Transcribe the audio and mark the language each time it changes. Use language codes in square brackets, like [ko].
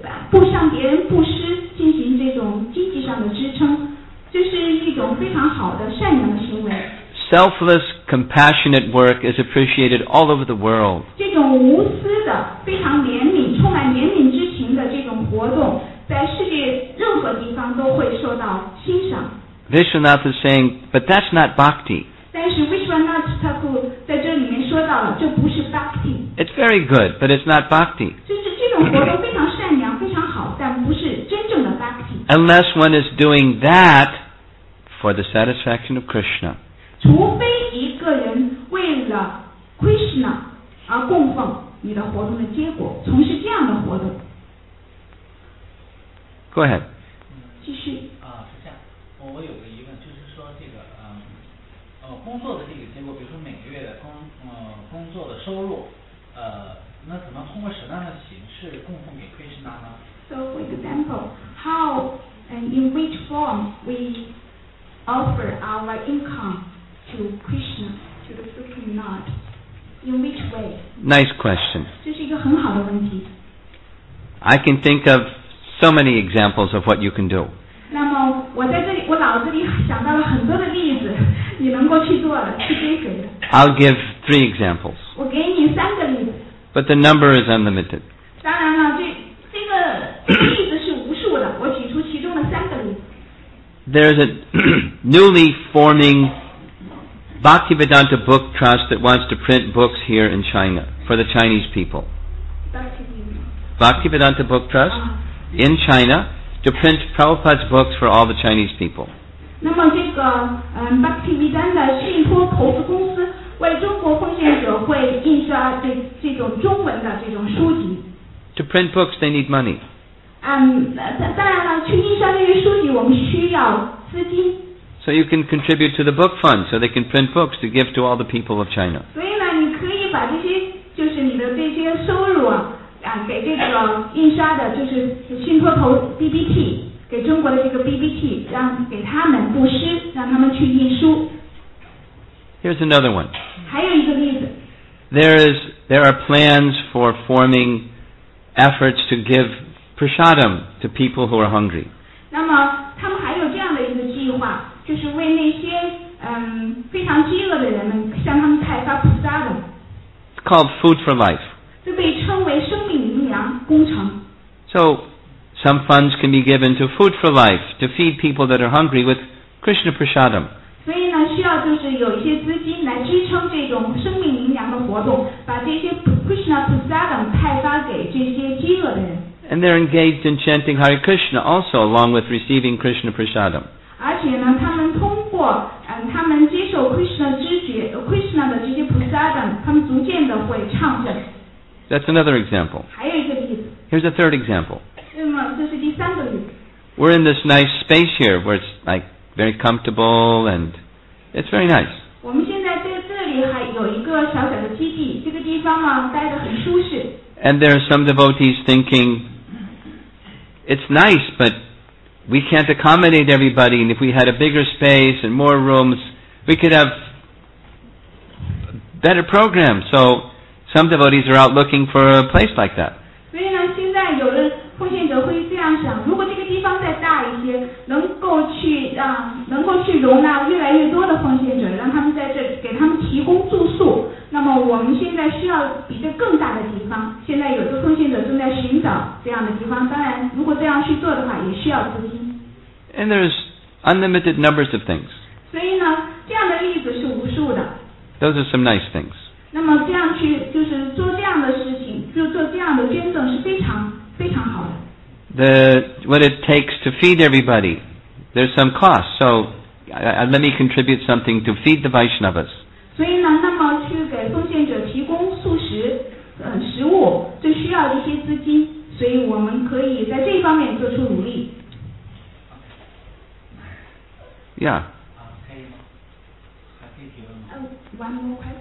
[zh] 不向别人布施进行这种经济上的支撑这是一种非常好的善良的行为 [en] Selfless, compassionate work is appreciated all over the world [zh] 这种无私的非常怜悯充满怜悯之情的这种活动在世界任何地方都会受到欣赏 [en] Vishwanath is saying but that's not bhakti [zh] 但是 Vishwanath 他在这里面说到了这不是 bhakti [en] It's very good but it's not bhakti [zh] 就是这种活动非常 [en] Unless one is doing that for the satisfaction of Krishna. [zh] 除非一个人为了 Krishna 而供奉你的活动的结果，从事这样的活动。 [en] Go ahead. [zh] 继续。是这样，我有个疑问，就是说这个工作的这个结果，比如说每个月的工作的收入，那怎么通过什么样的形式供奉给 Krishna 呢？ [en] So, for example, how and in which form we offer our income to Krishna, to the Supreme Lord? In which way? Nice question. [zh] 这是一个很好的问题。 [en] I can think of so many examples of what you can do. [zh] 那么我在这里，我脑子里想到了很多的例子，你能够去做的，去追随的。 [en] I'll give three examples. [zh] 我给你三个例子。 [en] But the number is unlimited. [zh] 当然了，例子是无数的，我举出其中的三个例子。 [en] There's a newly forming Bhaktivedanta Book Trust that wants to print books here in China for the Chinese people. Bhaktivedanta Book Trust in China to print Prabhupada's books for all the Chinese people. [zh] 那么这个Bhaktivedanta 信托投资公司为中国奉献者会印刷这种中文的这种书籍。 [en] To print books, they need money. [zh] 当然了，去印刷这些书籍，我们需要资金。 [en] So you can contribute to the book fund, so they can print books to give to all the people of China. [zh] 所以呢，你可以把这些，就是你的这些收入给这个印刷的，就是信托投 BBT， 给中国的这个 BBT， 让给他们布施，让他们去印书。 [en] Here's another one. [zh] 还有一个例子。 [en] There are plans for forming. Efforts to give prasadam to people who are hungry. [zh] 那么他们还有这样的一个计划，就是为那些非常饥饿的人们，向他们派发 prasadam. [en] It's called called Food for Life. [zh] 就被称为生命营养工程。 [en] So, some funds can be given to Food for Life, to feed people that are hungry with Krishna Prasadam. [zh] 所以呢，需要就是有一些资金来支撑这种生命营养的活动，把这些 Krishna Prasadam 派发给这些饥饿的人。 [en] And they're engaged in chanting Hare Krishna also along with receiving Krishna Prasadam. [zh] 而且呢，他们通过他们接受 Krishna 之觉 Krishna 的这些 Prasadam， 他们逐渐的会唱着。 [en] That's another example. [zh] 还有一个例子。 [en] Here's a third example. [zh] 那么这是第三个例子。 [en] We're in this nice space here where it's like very comfortable and it's very nice. [zh] 我们现在在这里还有一个小小的基地，这个地方啊待得很舒适。 [en] And there are some devotees thinking, it's nice, but we can't accommodate everybody, and if we had a bigger space and more rooms, we could have better programs. So some devotees are out looking for a place like that. [zh] 所以呢，现在有的奉献者会这样想，如果这个地方再大一些，能够去容纳越来越多的奉献者，让他们在这给他们提供住宿。那么我们现在需要比这更大的地方，现在有的奉献者正在寻找这样的地方，当然如果这样去做的话也需要资金。 [en] And there's unlimited numbers of things. [zh] 所以呢，这样的例子是无数的。 [en] Those are some nice things. [zh] 那么这样去就是做这样的事情，就做这样的捐赠是非常非常好的。 [en] What it takes to feed everybody, there's some cost, so let me contribute something to feed the Vaishnavas. [zh] 所以呢，那么奉献者提供素食食物就需要一些资金，所以我们可以在这方面做出努力。 Yeah，可以吗？还可以提问吗？